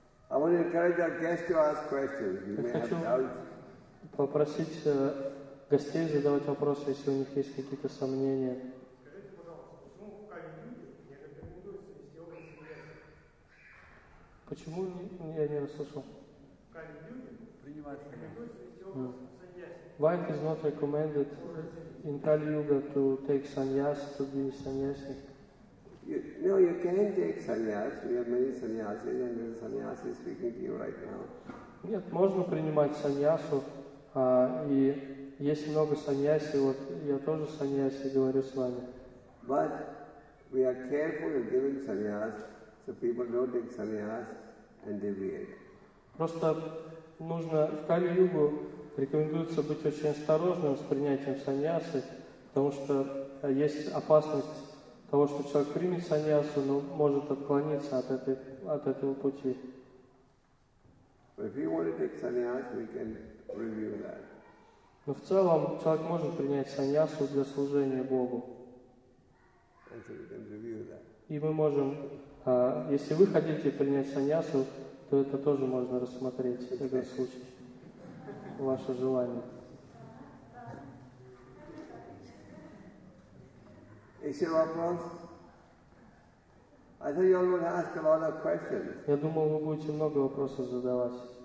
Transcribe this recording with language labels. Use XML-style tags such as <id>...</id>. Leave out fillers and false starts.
<en>I want to encourage our guests to ask questions. You may have doubts.</en> <ru>Попросить гостей задавать вопросы, если у них есть какие-то сомнения. Почему я не расслышал?</ru> <en>Why it is not recommended in Kali Yuga to take sannyas, to be sannyasi? You can take sannyas. We have many sannyasi, and there's a sannyasi speaking to you right now.</en> <ru>Нет, можно принимать саньясу, и есть много саньяси, вот я тоже саньяси говорю с вами.</ru> <en>But we are careful in giving sannyas, so people don't take sannyas and deviate.</en> <ru>Просто нужно в Кали-Югу рекомендуется быть очень осторожным с принятием саньясы, потому что есть опасность того, что человек примет саньясу, но может отклониться от этого пути.</ru> <en>If you want to take sannyas, we can review that.</en> <ru>Но в целом человек может принять саньясу для служения Богу.</ru> <en>And so we can review that.</en> <ru>И мы можем, если вы хотите принять саньясу, то это тоже можно рассмотреть, okay. Этот случай, ваше желание. Еще вопрос?</ru> <en>I thought you all would ask a lot of questions.</en> <ru>Я думал, вы будете много вопросов задавать.</ru>